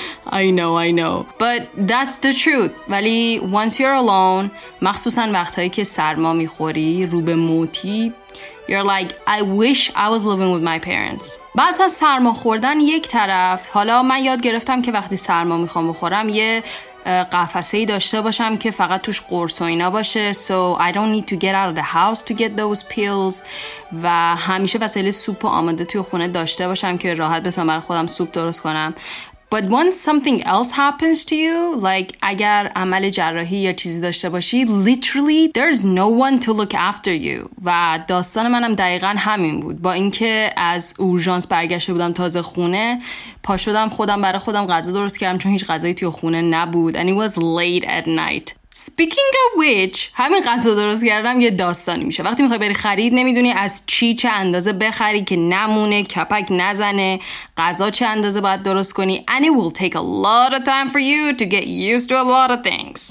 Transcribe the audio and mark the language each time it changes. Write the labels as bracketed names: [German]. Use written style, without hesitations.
[English] I know. But that's the truth. [Persian] ولی [English] once you're alone, [Persian] مخصوصا وقتهایی که سرما میخوری، روبه موتی، [English] you're like, I wish I was living with my parents. [Persian] بعضا سرما خوردن یک طرف، حالا من یاد گرفتم که وقتی سرما میخوام بخورم یه قفسه‌ای داشته باشم که فقط توش قرص و اینا باشه. [English] So I don't need to get out of the house to get those pills. [Persian] و همیشه وسایل سوپ آماده توی خونه داشته باشم که راحت بتونم برای خودم سوپ درست کنم. [English] But once something else happens to you, like [Persian] اگر عمل جراحی یا چیزی داشته باشی, [English] literally there's no one to look after you. [Persian] و داستان منم دقیقاً همین بود. با اینکه از اورژانس برگشته بودم تازه خونه, پا شدم خودم برای خودم غذا درست کردم چون هیچ غذایی توی خونه نبود. [English] And it was late at night. Speaking of which, [Persian] همین غذا درست کردم یه داستانی میشه. وقتی میخوای بری خرید نمیدونی از چه اندازه بخری که نمونه، کپک نزنه، غذا چه اندازه باید درست کنی. [English] And it will take a lot of time for you to get used to a lot of things.